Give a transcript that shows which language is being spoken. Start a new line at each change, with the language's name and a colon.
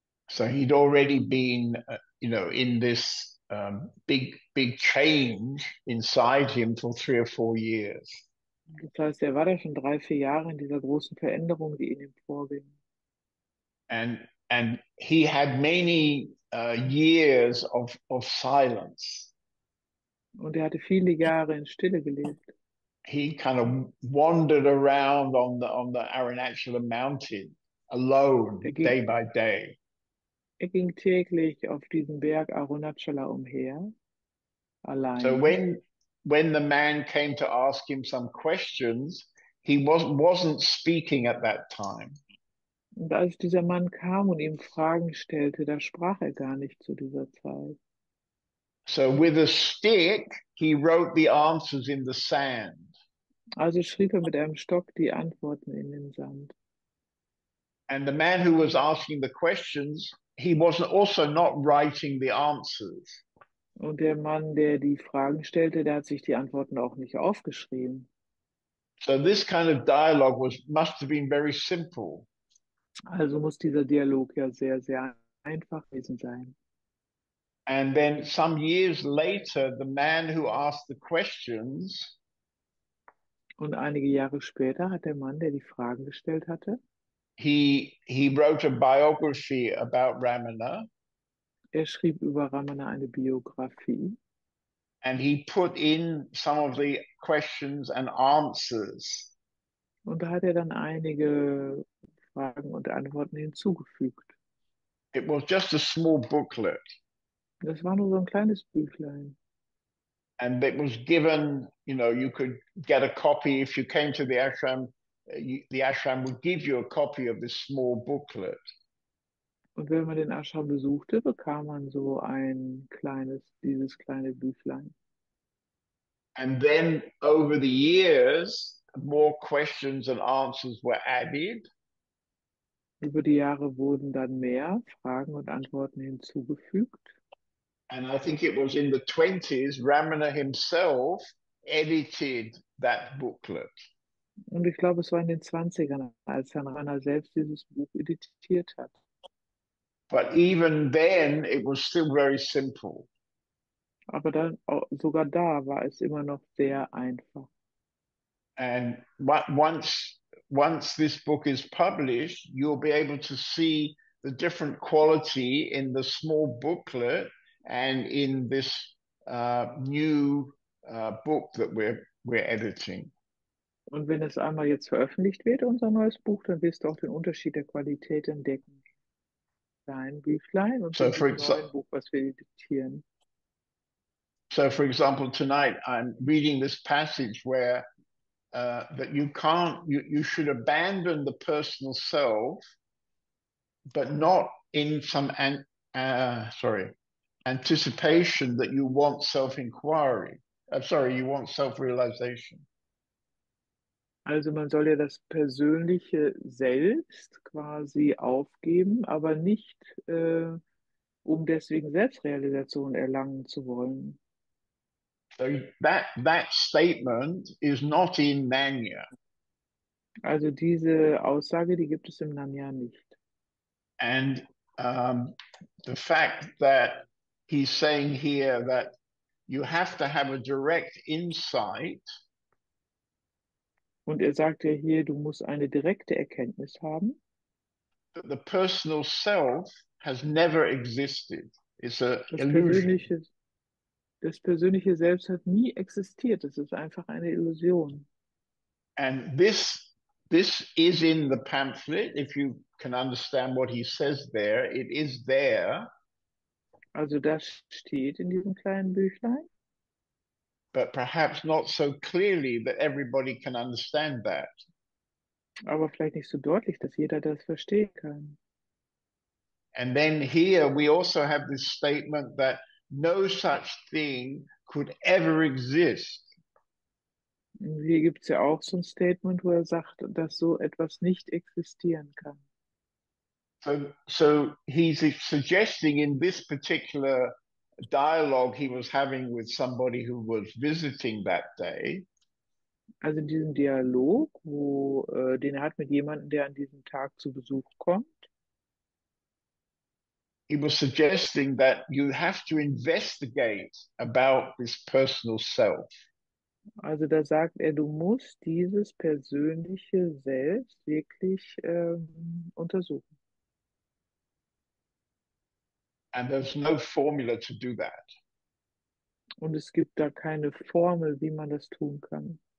English: So he'd already been, you know, in this big, big change inside him for 3 or 4 years.
German: Das heißt, er war da schon 3, 4 Jahre in dieser großen Veränderung, die in ihm vorging.
English: And he had many years of silence.
German: Und er hatte viele Jahre in Stille gelebt.
English: He kind of wandered around on the Arunachala mountain alone, day by day.
German: Er ging täglich auf diesen Berg Arunachala umher, allein.
English: So when the man came to ask him some questions, he wasn't speaking at that time.
German: Und als dieser Mann kam und ihm Fragen stellte, da sprach gar nicht zu dieser Zeit.
English: So with a stick, he wrote the answers in the sand.
German: Also schrieb mit einem Stock die Antworten in den Sand.
English: And the man who was asking the questions, he wasn't also not writing the answers.
German: Und der Mann, der die Fragen stellte, der hat sich die Antworten auch nicht aufgeschrieben.
English: So this kind of dialogue must have been very simple.
German: Also muss dieser Dialog ja sehr, sehr einfach gewesen sein.
English: And then some years later, the man who asked the questions.
German: Und einige Jahre später hat der Mann, der die Fragen gestellt hatte.
English: He wrote a biography about Ramana.
German: Er schrieb über Ramana eine Biografie.
English: And he put in some of the questions and answers.
German: Und da hat dann einige Fragen und Antworten hinzugefügt.
English: It was just a small booklet.
German: Das war nur so ein kleines Büchlein.
English: And it was given, you know, you could get a copy if you came to the ashram. The ashram would give you a copy of this small booklet.
German: Und wenn man den Ashram besuchte, bekam man so ein kleines, dieses kleine Büchlein.
English: And then over the years, more questions and answers were added.
German: Über die Jahre wurden dann mehr Fragen und Antworten hinzugefügt.
English: And I think it was in the 20s, Ramana himself edited that booklet.
German: Und ich glaube, es war in den 20ern, als Herr Ramana selbst dieses Buch editiert hat.
English: But even then, it was still very simple.
German: Aber dann, sogar da war es immer noch sehr einfach.
English: And once this book is published, you'll be able to see the different quality in the small booklet and in this new book that we're editing.
German: Und wenn es einmal jetzt veröffentlicht wird, unser neues Buch, dann wirst du auch den Unterschied der Qualität entdecken. Dein Büchlein und so dem neuen Buch, was wir editieren.
English: So for example, tonight I'm reading this passage where that you can't, you should abandon the personal self, but not in some anticipation that you want self-inquiry. You want self-realization.
German: Also man soll ja das persönliche Selbst quasi aufgeben, aber nicht, um deswegen Selbstrealisation erlangen zu wollen.
English: So that statement is not in Nanya.
German: Also diese Aussage, die gibt es im Nanya nicht.
English: And the fact that he's saying here that you have to have a direct insight.
German: Und er sagt ja hier, du musst eine direkte Erkenntnis haben.
English: That the personal self has never existed. It's an illusion.
German: Das persönliche Selbst hat nie existiert. Es ist einfach eine Illusion.
English: And this is in the pamphlet, if you can understand what he says there. It is there.
German: Also das steht in diesem kleinen Büchlein.
English: But perhaps not so clearly that everybody can understand that.
German: Aber vielleicht nicht so deutlich, dass jeder das verstehen kann.
English: And then here we also have this statement that no such thing could ever exist.
German: Hier gibt es ja auch so ein Statement, wo er sagt, dass so etwas nicht existieren kann.
English: So he's suggesting in this particular dialogue he was having with somebody who was visiting that day.
German: Also in diesem Dialog, wo den er hat mit jemandem, der an diesem Tag zu Besuch kommt.
English: He was suggesting that you have to investigate about this personal self.
German: Also da sagt er, du musst dieses persönliche Selbst wirklich untersuchen.
English: And there's no formula to do that.
German: Und es gibt da keine Formel, wie man das tun kann.